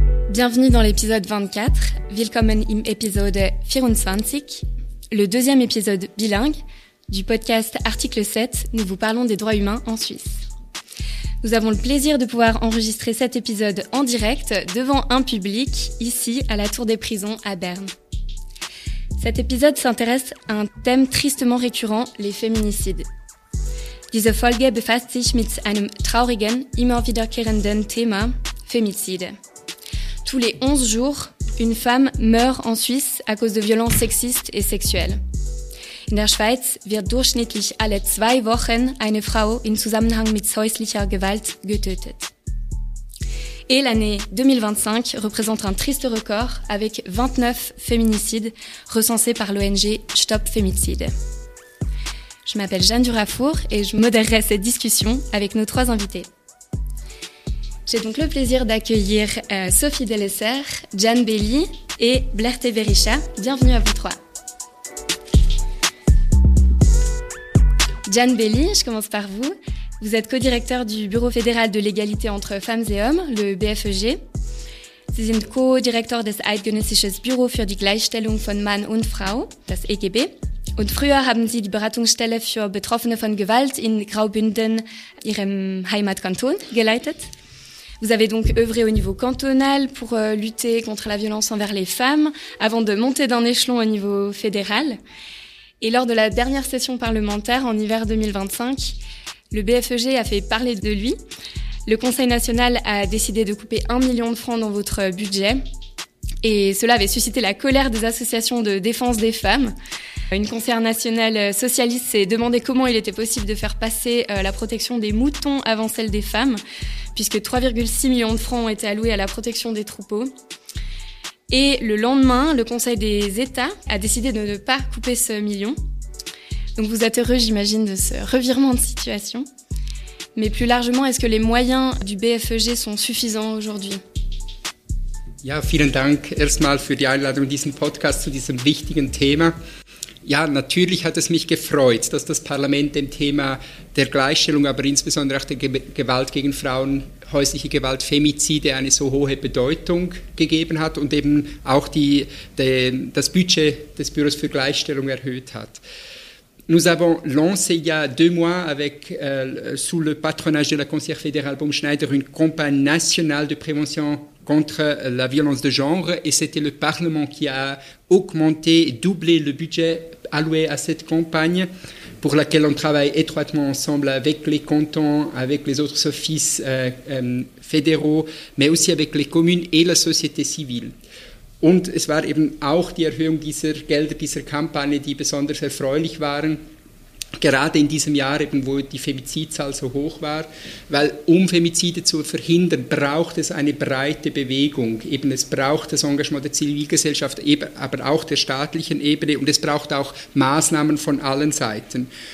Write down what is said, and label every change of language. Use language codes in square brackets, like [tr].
[fr] Bienvenue dans l'épisode 24, [de] willkommen im Episode 24, [fr] le deuxième épisode bilingue du podcast Article 7, nous vous parlons des droits humains en Suisse. Nous avons le plaisir de pouvoir enregistrer cet épisode en direct devant un public, ici à la Tour des Prisons à Berne. Cet épisode s'intéresse à un thème tristement récurrent, les féminicides. [de] Diese Folge befasst sich mit einem traurigen, immer wiederkehrenden Thema, Femizide. [fr] Tous les 11 jours, une femme meurt en Suisse à cause de violences sexistes et sexuelles. [de] In der Schweiz wird durchschnittlich alle zwei Wochen eine Frau in Zusammenhang mit häuslicher Gewalt getötet. [fr] Et l'année 2025 représente un triste record avec 29 féminicides recensés par l'ONG Stop Femizide. Je m'appelle Jeanne Durafour et je modérerai cette discussion avec nos trois invités. J'ai donc le plaisir d'accueillir Sophie Delesser, Jeanne Bailey et Blair Teverisha. Bienvenue à vous trois. Jeanne Bailey, je commence par vous. Vous êtes co-directeur du Bureau fédéral de l'égalité entre femmes et hommes, le BFEG. [de] Sie sind co-direktor des Eidgenössisches Büro für die Gleichstellung von Mann und Frau, das EGB. Und früher haben Sie die Beratungsstelle für Betroffene von Gewalt in Graubünden, Ihrem Heimatkanton, geleitet. [fr] Vous avez donc œuvré au niveau cantonal pour lutter contre la violence envers les femmes, avant de monter d'un échelon au niveau fédéral. Et lors de la dernière session parlementaire, en hiver 2025, le BFEG a fait parler de lui. Le Conseil national a décidé de couper 1 million de francs dans votre budget. Et cela avait suscité la colère des associations de défense des femmes. Une conseillère nationale socialiste s'est demandé comment il était possible de faire passer la protection des moutons avant celle des femmes, puisque 3,6 millions de francs ont été alloués à la protection des troupeaux. Et le lendemain, le Conseil des États a décidé de ne pas couper ce million. Donc vous êtes heureux, j'imagine, de ce revirement de situation. Mais plus largement, est-ce que les moyens du BFEG sont suffisants aujourd'hui ? [de] Ja, vielen Dank erstmal für die Einladung diesen Podcast zu diesem wichtigen Thema. Ja, natürlich hat es mich gefreut, dass das Parlament dem Thema der Gleichstellung, aber insbesondere auch der Gewalt gegen Frauen, häusliche Gewalt, Femizide eine so hohe Bedeutung gegeben hat und eben auch das Budget des Büros für Gleichstellung erhöht hat. [fr] Nous avons lancé il y a deux mois avec, sous le patronage de la conseillère fédérale Baumschneider, une campagne nationale de prévention contre la violence de genre, et c'était le Parlement qui a augmenté et doublé le budget alloué à cette campagne, pour laquelle on travaille étroitement ensemble avec les cantons, avec les autres offices fédéraux, mais aussi avec les communes et la société civile. [de] Und es war eben auch die Erhöhung dieser Gelder, dieser Kampagne, die besonders erfreulich waren, gerade in diesem Jahr, eben, wo die Femizidzahl so hoch war, weil um Femizide zu verhindern, braucht es eine breite Bewegung. Eben, es braucht das Engagement der Zivilgesellschaft, aber auch der staatlichen Ebene, und es braucht auch Maßnahmen von allen Seiten.